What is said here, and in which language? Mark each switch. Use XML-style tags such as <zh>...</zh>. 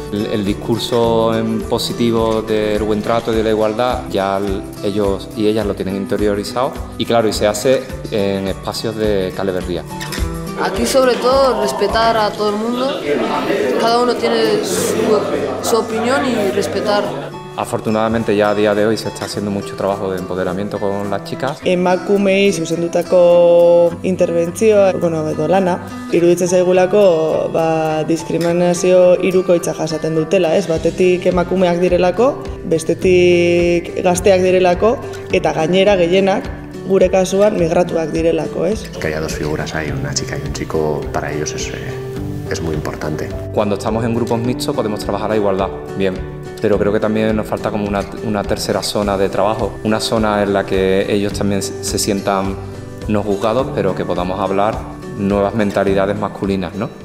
<es>El discurso en positivo del buen trato y de la igualdad, ya ellos y ellas lo tienen interiorizado. Y claro, y se hace en espacios de Cale Berria. Aquí sobre todo respetar a todo el mundo, cada uno tiene su opinión y respetar. Afortunadamente ya a día de hoy se está haciendo mucho trabajo de empoderamiento con las chicas.</es> <eu>Emakumei zuzendutako interbentzioa, bueno, edo lana, iruditzen zaigulako ba, diskriminazio hirukoitza jasaten dutela, ez? Batetik emakumeak direlako, bestetik gazteak direlako eta gainera gehienak, gure kasuan migratuak direlako, ¿es?</eu> <es>Que haya dos figuras ahí, una chica y un chico, para ellos es muy importante. Cuando estamos en grupos mixtos podemos trabajar la igualdad, bien. Pero creo que también nos falta como una tercera zona de trabajo, una zona en la que ellos también se sientan no juzgados, pero que podamos hablar nuevas mentalidades masculinas, ¿no?</es>